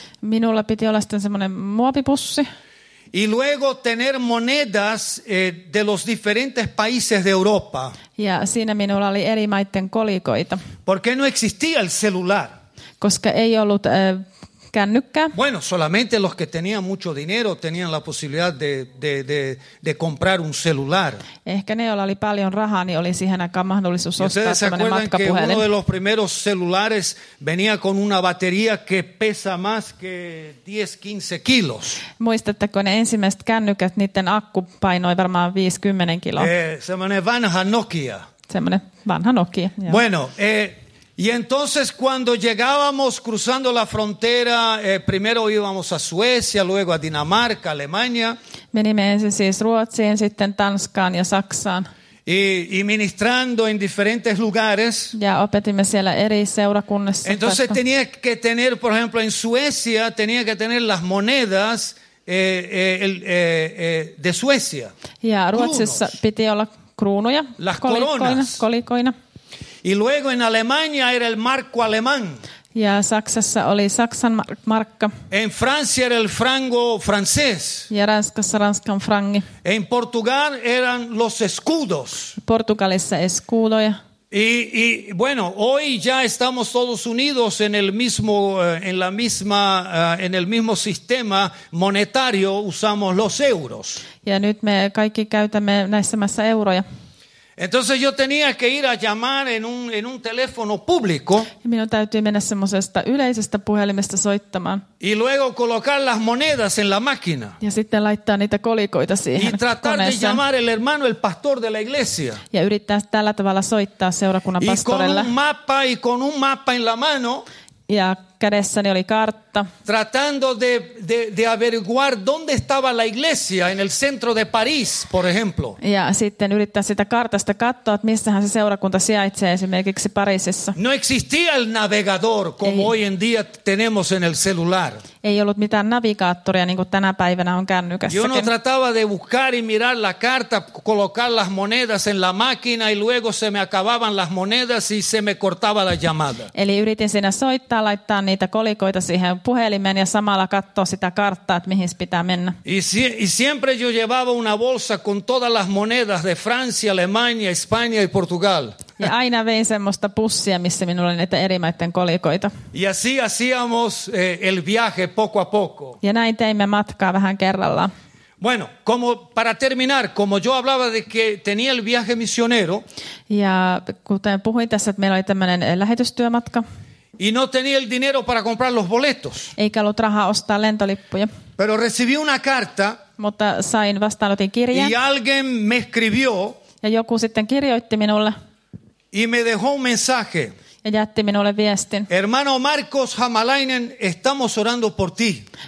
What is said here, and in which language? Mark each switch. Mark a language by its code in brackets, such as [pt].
[fi] Minulla piti olla sitten semmoinen muovipussi. [es] Y luego tener monedas de los diferentes países de Europa. [fi] Ja siinä minulla oli eri maiden kolikoita. [es] Porque no existía el celular. [fi] Koska ei ollut kännykkää. [es] Bueno, solamente los que tenían mucho dinero tenían la posibilidad de comprar un celular. [fi] Ehkä ne, joilla oli paljon rahaa, niin oli siihen aikaan mahdollisuus ostaa tämmöinen matkapuhelin. [es] ¿Ustedes se acuerdan que uno de los primeros celulares venía con una batería que pesa más que 10-15 kilos? [fi] Muistatteko ne ensimmäiset kännykät, niiden akku painoi varmaan 5-10 kiloa. Semmoinen vanha Nokia. Semmoinen vanha Nokia, joo. [es] Bueno, y entonces cuando llegábamos cruzando la frontera, primero íbamos a Suecia, luego a Dinamarca, Alemania. [fi] Menimme ensin siis Ruotsiin, sitten Tanskaan ja Saksaan. [es] Y ministrando en diferentes lugares. [fi] Ja opetimme siellä eri seurakunnissa. [es] Entonces tenía que tener, por ejemplo, en Suecia, tenía que tener las monedas de Suecia. [fi] Ja Ruotsissa kruunos. Piti olla kruunuja, las kolikoina. Kolikoina. [es] Y luego en Alemania era el marco alemán. [fi] Ja Saksassa oli Saksan markka. [es] En Francia era el franco francés. [fi] Ja Ranskassa Ranskan frangi. [es] En Portugal eran los escudos. [fi] Portugalissa escudoja. [es] Y bueno, hoy ya estamos todos unidos en el mismo en la misma en el mismo sistema monetario, usamos los euros. [fi] Ja nyt me kaikki käytämme näissä maissa euroja. [es] Entonces yo tenía que ir a llamar en un teléfono público. [fi] Minun täytyy mennä semmoisesta yleisestä puhelimesta soittamaan. [es] Y luego colocar las monedas en la máquina. [fi] Ja sitten laittaa niitä kolikoita siihen. [es] Y tratar [fi] koneeseen. [es] De llamar el hermano, el pastor de la iglesia. [fi] Ja yrittää tällä tavalla soittaa seurakunnan pastorelle. [es] Y con un mapa en la mano. [fi] Ja kädessäni oli kartta. [es] Tratando de averiguar dónde estaba la iglesia en el centro de París, por ejemplo. [fi] Ja sitten yrittää sitä kartasta katsoa, että missähän se seurakunta sijaitsee esimerkiksi Pariisissa. [es] No existía el navegador como hoy en día tenemos en el celular. [fi] Ei ollut mitään navigaattoria, niin kuin tänä päivänä on kännykässäkin. [es] Yo no trataba de buscar y mirar la carta, colocar las monedas en la máquina y luego se me acababan las monedas y se me cortaba la llamada. [fi] Eli yritin siinä soittaa, laittaa niitä kolikoita siihen puhelimeen ja samalla katsoa sitä karttaa, että mihin pitää mennä. [es] Y siempre yo llevaba una bolsa con todas las monedas de Francia, Alemania, España y Portugal. [fi] Ja aina vein semmoista pussia, missä minulla oli näitä eri maiden kolikoita. [es] Y así hacíamos el viaje poco a poco. [fi] Ja näin teimme matkaa vähän kerrallaan. [es] Bueno, como para terminar, como yo hablaba de que tenía el viaje misionero. [fi] Ja kuten puhuin tässä, että meillä oli tämmöinen lähetystyömatka. [es] Y no tenía el dinero para comprar los boletos. [fi] Eikä ollut rahaa ostaa lentolippuja. [es] Pero recibí una carta. [fi] Mutta sain vastaanotin kirjan. [es] Y alguien me escribió. [fi] Ja joku sitten kirjoitti minulle. [es] Y me dejó un mensaje. [fi] Ja jätti minulle viestin. [es] Hermano Marcos Hämäläinen, estamos orando por ti.